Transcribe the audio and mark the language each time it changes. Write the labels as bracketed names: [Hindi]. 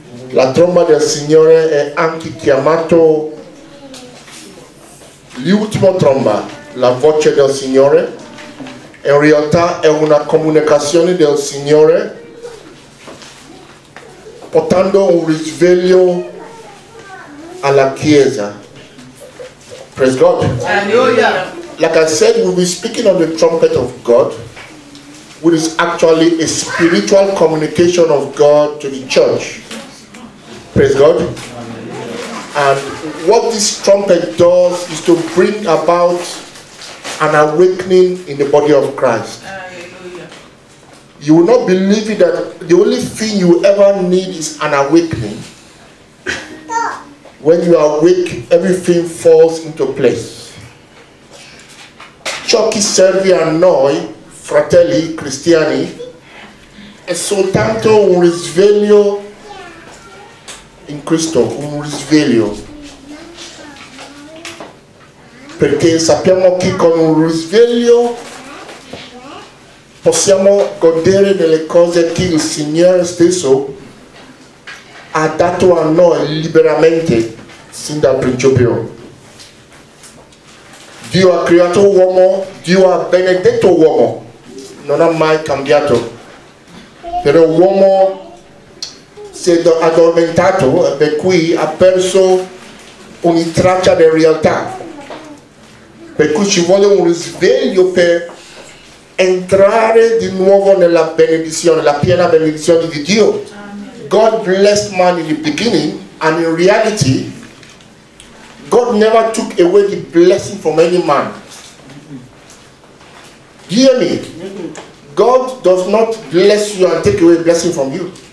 [Italian] La tromba del Signore è anche chiamato l'ultima tromba, la voce del Signore. In realtà è una comunicazione del Signore portando un risveglio alla Chiesa. [English] Praise God. Alleluia. Like I said, we'll be speaking on the trumpet of God, which is actually a spiritual communication of God to the church. Praise God. And what this trumpet does is to bring about an awakening in the body of Christ. You will not believe it, that the only thing you ever need is an awakening. When you are awake, everything falls into place. [Italian] Ciò che serve a noi, fratelli cristiani, è soltanto un risveglio in Cristo, un risveglio. Perché sappiamo che con un risveglio possiamo godere delle cose che il Signore stesso ha dato a noi liberamente sin dal principio. Dio ha creato uomo, Dio ha benedetto uomo, non ha mai cambiato. Però uomo si è addormentato e per cui ha perso ogni traccia di realtà. Per cui ci vuole un risveglio per entrare di nuovo nella benedizione, la piena benedizione di Dio. [English] God blessed man in the beginning, and in reality, God never took away the blessing from any man. Hear me. God does not bless you and take away blessing from you.